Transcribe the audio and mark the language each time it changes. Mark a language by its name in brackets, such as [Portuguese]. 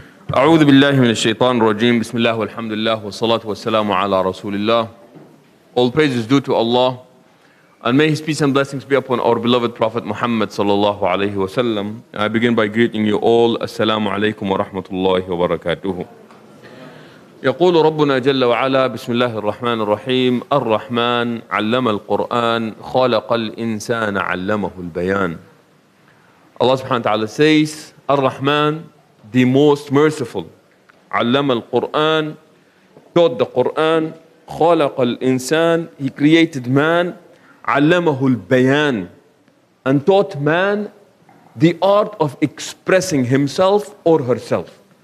[Arabic] أعوذ بالله من الشيطان الرجيم بسم الله والحمد لله والصلاة والسلام على رسول الله. [English] All praise is due to Allah, and may His peace and blessings be upon our beloved Prophet Muhammad sallallahu alaihi wasallam. I begin by greeting you all. [Arabic] Assalamu alaikum wa rahmatullahi wa barakatuh. يقول ربنا جل وعلا بسم الله الرحمن الرحيم الرحمن علم القرآن خلق الإنسان علمه البيان. [English] Allah subhanahu wa ta'ala says, Ar-Rahman, the most merciful, [Arabic] علم القرآن, [English] taught the Qur'an, [Arabic] خلق الإنسان, [English] He created man, [Arabic] علمه البيان, [English] and taught man the art of expressing himself or herself.